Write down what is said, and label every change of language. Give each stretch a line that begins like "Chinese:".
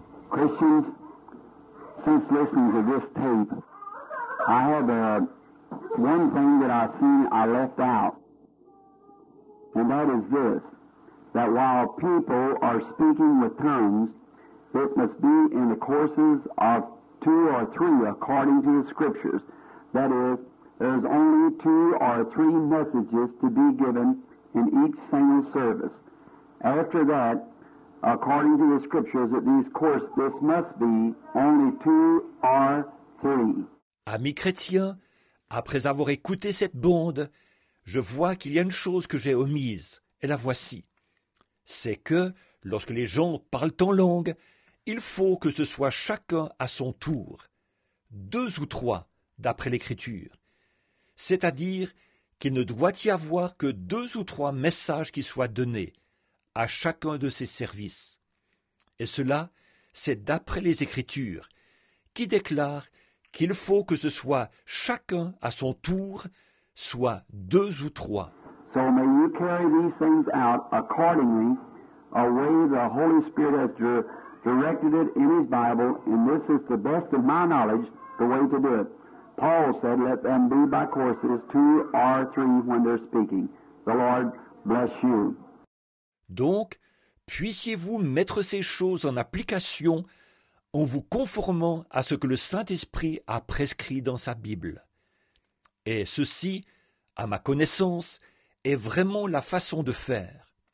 English: Christians, since listening to this tape, I have one thing that I see I left out, and that is this, that while people are speaking with tongues, it must be in the courses of two or three according to the Scriptures. That is, there's only two or three messages to be given in each single service. After that, according to the Scriptures, at these courses, this must be only two or three.
French: Amis chrétiens, après avoir écouté cette bande, je vois qu'il y a une chose que j'ai omise, et la voici. C'est que, lorsque les gens parlent en langue, il faut que ce soit chacun à son tour, deux ou trois, d'après l'Écriture. C'est-à-dire qu'il ne doit y avoir que deux ou trois messages qui soient donnés à chacun de ses services. Et cela, c'est d'après les Écritures, qui déclarent qu'il faut que ce soit chacun à son tour, soit deux ou trois.
English: So may you carry these things out accordingly, a way the Holy Spirit has directed it in his Bible, and this is the best of my knowledge, the way to do it. Paul said, let them be by courses, two or three when they're speaking. The Lord bless you.
French: Donc, puissiez-vous mettre ces choses en application en vous conformant à ce que le Saint-Esprit a prescrit dans sa Bible. Et ceci, à ma connaissance, est vraiment la façon de faire.